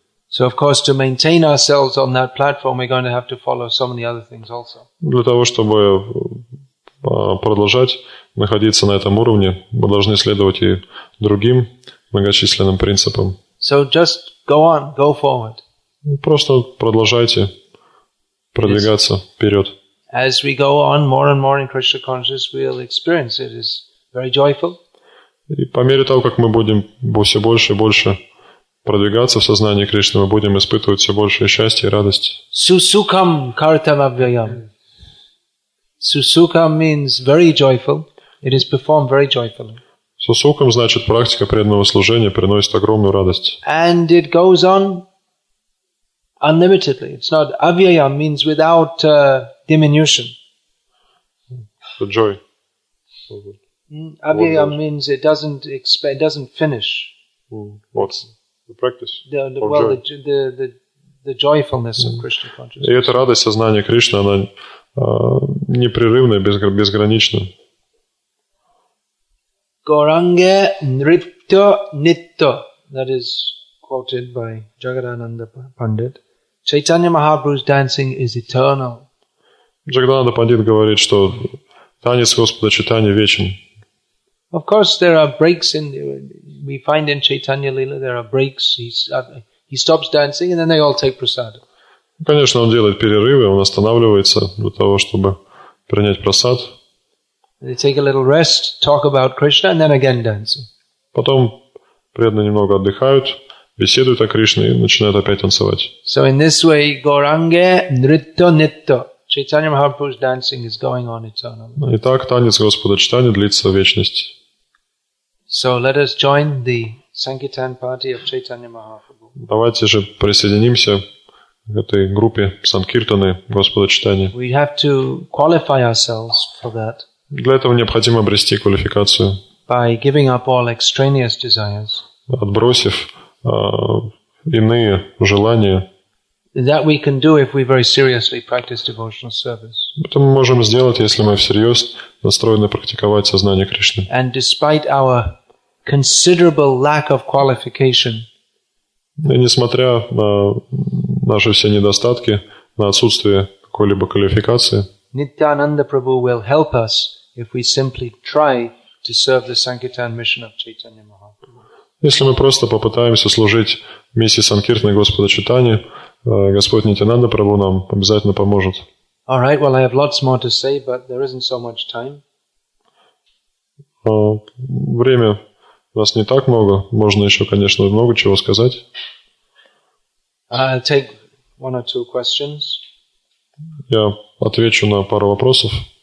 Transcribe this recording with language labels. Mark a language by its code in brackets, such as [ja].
[en] So of course to maintain ourselves on that platform, we're going to have to follow so many other things also. [ru] Для того, чтобы продолжать находиться на этом уровне, мы должны следовать и другим многочисленным принципам. [en] So just go on, go forward. [ru] Просто продолжайте продвигаться вперед. [en] As we go on more and more in Krishna consciousness, we'll experience it is very joyful. [ru] И по мере того, как мы будем все больше и больше продвигаться в сознании Кришны, мы будем испытывать все больше счастья и радости. [sa] Susukam kartanavyam. [en] Susukam means very joyful. It is performed very joyfully. [ru] Susukam значит практика преданного служения приносит огромную радость. [en] And it goes on unlimitedly. It's not avyayam means without diminution. The joy. Avyayam means it doesn't finish. What's the practice? The joyfulness of Krishna consciousness. [ru] И эта радость сознания Кришны она непрерывная, безграничная. [bn] Goranga nripto nitto. [en] That is quoted by Jagadananda Pandit. Chaitanya Mahaprabhu's dancing is eternal. [ru] Jagadananda Pandit говорит, что танец Господа Чайтаньи вечен. [en] Of course, there are breaks in. We find in Chaitanya Lila there are breaks. He stops dancing and then they all take prasad. [ru] Конечно, он делает перерывы, он останавливается для того, чтобы принять прасад. [en] They take a little rest, talk about Krishna, and then again dancing. [ru] Потом преданные немного отдыхают, беседуют о Кришне и начинают опять танцевать. [en] So in this way, [bn] Goranga Nritto Nitto. [en] Chaitanya Mahaprabhu's dancing is going on eternally. [ru] Итак, танец Господа Чайтаньи длится вечность. [en] So let us join the Sankirtan party of Chaitanya Mahaprabhu. [ru] Давайте же присоединимся к этой группе Санкиртаны Господа Чайтаньи. [en] We have to qualify ourselves for that. [ru] Для этого необходимо обрести квалификацию. [en] By giving up all extraneous desires. [ru] Отбросив иные желания. [en] That we can do if we very seriously practice devotional service. [ru] Это мы можем сделать, если мы всерьез настроены практиковать сознание Кришны. [en] And despite our considerable lack of qualification. [ru] И несмотря на наши все недостатки, на отсутствие какой-либо квалификации. [en] Nityananda Prabhu will help us if we simply try to serve the Sankirtan mission of Chaitanya Mahaprabhu. [ru] Если мы просто попытаемся служить миссии Санкиртны Господа Чайтаньи, Господь Нитянанда Прабху нам обязательно поможет. [en] All right, well, I have lots more to say, but there isn't so much time. [ru] Время у нас не так много. Можно еще, конечно, много чего сказать. [en] I'll take one or two questions. [ru] Я отвечу на пару вопросов.